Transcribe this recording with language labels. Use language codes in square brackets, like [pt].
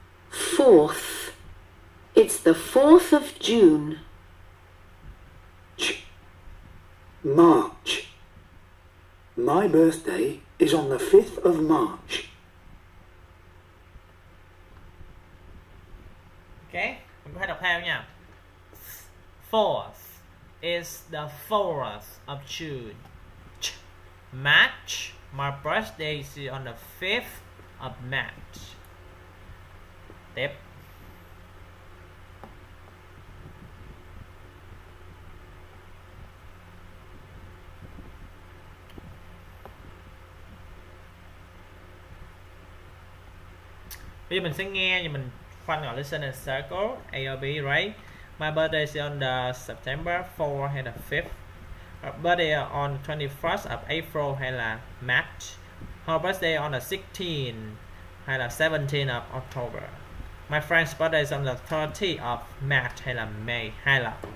[en] Fourth. It's the 4th of June. March. My birthday is on the 5th of March. [vi] Okay, mình có thể đọc theo nha. [en] Fourth is the 4th of June. March. My birthday is on the 5th of March. [vi] Tiếp. Bây giờ mình sẽ nghe và mình khoan gọi listen in circle A or B, right? [en] My birthday is on the September 4 hay là 5th. Her birthday is on the 21st of April hay là March. Her birthday on the 16th hay là 17th of October. My friend's birthday is on the 30th of March hay là May. Hai lần.